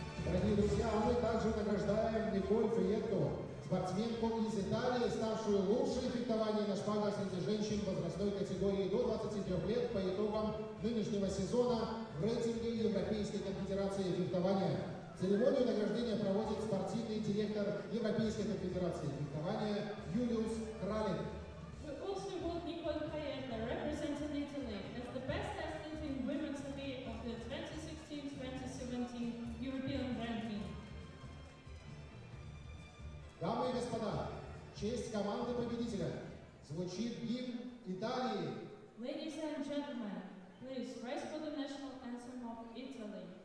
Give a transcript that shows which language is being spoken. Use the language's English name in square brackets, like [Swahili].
[Russian] Также награждаем Николь Фиетту, спортсменку из Италии, ставшую лучшей фехтованием на шпагах среди женщин возрастной категории до 23 лет по итогам нынешнего сезона в рейтинге Европейской конфедерации фехтования. Церемонию награждения проводит спортивный директор Европейской конфедерации фехтования Юлиус Кралин. [English] We also want Николь Фиетту, representing Italy, as the best athlete in women's event of the 2016-2017 European ranking. [Russian] Дамы и господа, честь команды победителя звучит гимн Италии. [English] Ladies and gentlemen, please rise for the national anthem of Italy.